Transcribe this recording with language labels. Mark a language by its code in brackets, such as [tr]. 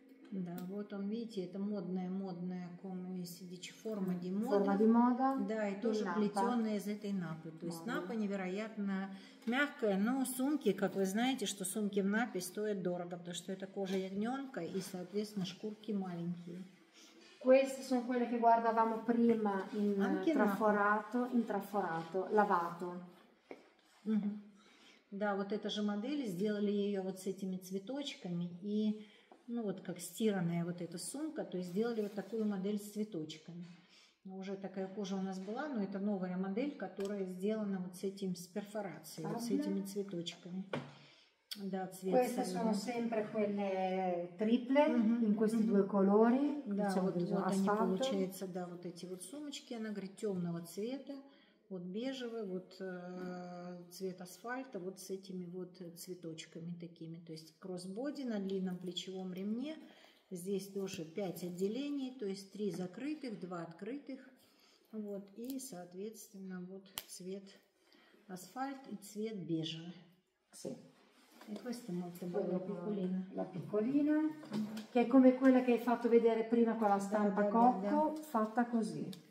[ru] Да, вот он, видите, это модная комиссия, [it] форма ди мода. Форма ди мода. [ru] Да, и тоже плетеная из этой напы. То есть напа невероятно мягкая, но сумки, как вы знаете, что сумки в напе стоят дорого, потому что это кожа ягненка и, соответственно, шкурки маленькие. [it] Queste sono quelle che guardavamo prima in traforato, lavato. [ru] Да, вот эта же модель, сделали ее вот с этими цветочками и... Ну вот как стиранная вот эта сумка, то есть сделали вот такую модель с цветочками. Уже такая кожа у нас была, но это новая модель, которая сделана вот с этим, с перфорацией, вот с этими цветочками. Да, цвет. [it] Queste sono sempre quelle triple, in questi due colori. [ru] Да, вот они получаются, да, вот эти вот сумочки, она говорит, темного цвета, вот бежевый, вот цвет асфальта, вот с этими вот цветочками такими. То есть кроссбоди на длинном плечевом ремне. Здесь тоже 5 отделений, то есть 3 закрытых, 2 открытых. Вот, и, соответственно, вот цвет асфальт и цвет бежевый. [it] Sì. E questa molto bella piccolina. La piccolina, che è come quella che hai fatto vedere prima con la stampa cocco, fatta così.